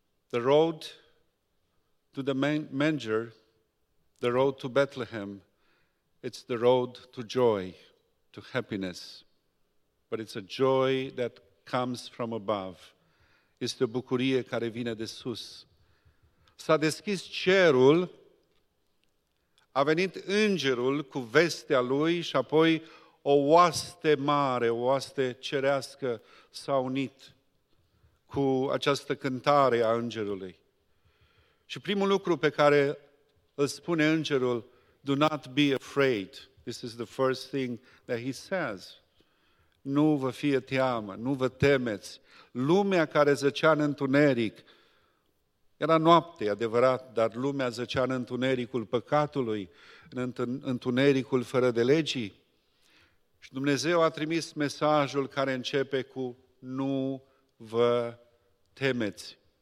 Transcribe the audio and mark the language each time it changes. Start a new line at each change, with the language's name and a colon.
English: The road to the manger, the road to Bethlehem, it's the road to joy, to happiness. But it's a joy that comes from above.
Romanian: Este o bucurie care vine de sus. S-a deschis cerul, a venit îngerul cu vestea lui și apoi o oaste mare, o oaste cerească s-a unit cu această cântare a îngerului. Și primul lucru pe care îl spune îngerul,
English: do not be afraid. This is the first thing that he says.
Romanian: Nu vă fie teamă, nu vă temeți. Lumea care zăcea în întuneric, era noapte, adevărat, dar lumea zăcea în întunericul păcatului, în întunericul fără de legii. Și Dumnezeu a trimis mesajul care începe cu nu vă temeți.